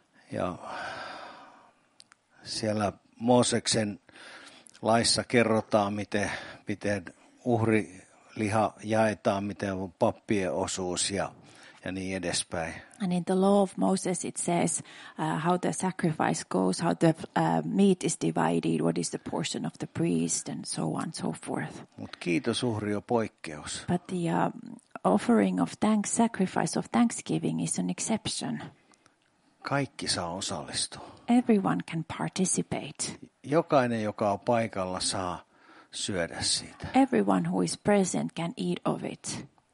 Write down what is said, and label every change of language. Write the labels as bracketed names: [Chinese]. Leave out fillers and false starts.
[Finnish] Ja siellä Mooseksen laissa kerrotaan, miten uhri liha jaetaan, miten on pappien osuus ja niin edespäin. [English] And in the law of Moses it says how the sacrifice goes, how the meat is divided, what is the portion of the priest and so on and so forth. [Finnish] Mut kiitos uhri on poikkeus. [English] But the offering of thanks, sacrifice of thanksgiving is an exception. [Finnish] Kaikki saa osallistua. [English] Everyone can participate. [Finnish] Jokainen, joka on paikalla, saa syödä siitä. [English] Everyone who is present can eat of it.